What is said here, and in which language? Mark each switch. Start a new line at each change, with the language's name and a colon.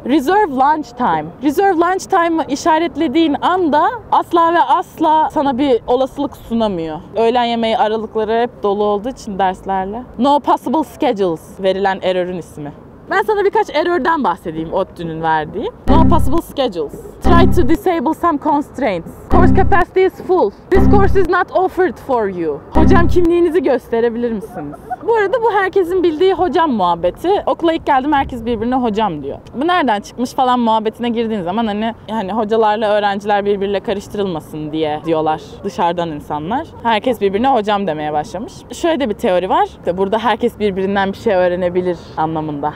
English: Reserve Lunch Time.
Turkish: Reserve Lunch Time'ı işaretlediğin anda asla ve asla sana bir olasılık sunamıyor. Öğlen yemeği aralıkları hep dolu olduğu için derslerle.
English: No Possible Schedules
Turkish: verilen error'ün ismi. Ben sana birkaç error'dan bahsedeyim ODTÜ'nün verdiği.
English: No possible schedules. Try to disable some constraints. Course capacity is full. This course is not offered for you.
Turkish: Hocam kimliğinizi gösterebilir misiniz? Bu arada bu herkesin bildiği hocam muhabbeti. Okula ilk geldim herkes birbirine hocam diyor. Bu nereden çıkmış falan muhabbetine girdiğin zaman hani yani hocalarla öğrenciler birbiriyle karıştırılmasın diye diyorlar dışarıdan insanlar. Herkes birbirine hocam demeye başlamış. Şöyle de bir teori var. İşte burada herkes birbirinden bir şey öğrenebilir anlamında.